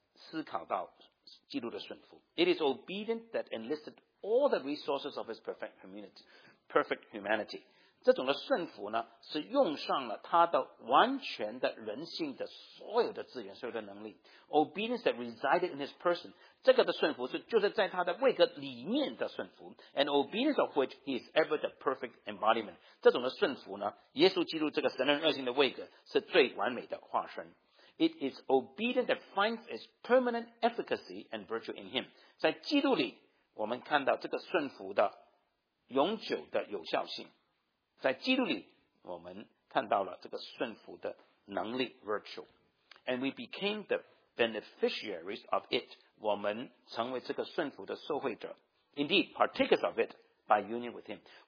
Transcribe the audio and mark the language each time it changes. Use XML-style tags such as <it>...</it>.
<zh>所以呢，我们不可以很人为的，或者是抽离的来思考到基督的顺服。</zh> <en>It is obedient that enlisted all the resources of his perfect humanity.</en> <zh>这种的顺服呢，是用上了他的完全的人性的所有的资源、所有的能力。</zh> <en>Obedience that resided in his person.</en> <zh>这个的顺服是就是在他的位格里面的顺服。</zh> <en>And obedience of which he is ever the perfect embodiment.</en> <zh>这种的顺服呢，耶稣基督这个神人二性的位格是最完美的化身。</zh> <en>It is obedience that finds its permanent efficacy and virtue in him.</en> <zh>在基督里，我们看到这个顺服的永久的有效性。在基督里，我们看到了这个顺服的能力，virtue.</zh> <en>And we became the beneficiaries of it.</en> <zh>我们成为这个顺服的受惠者。</zh> <en>Indeed, partakers of it by union with him.</en>